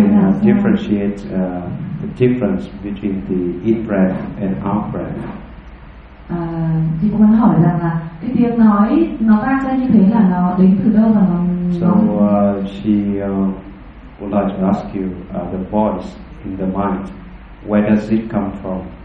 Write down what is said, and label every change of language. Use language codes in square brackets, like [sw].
[en] differentiate the difference between the in breath and out breath. [vi] Thì con muốn hỏi rằng là cái tiếng nói nó vang ra như thế là nó đến từ đâu và nó [en] so she would like to ask you the voice in the mind, where does it come from?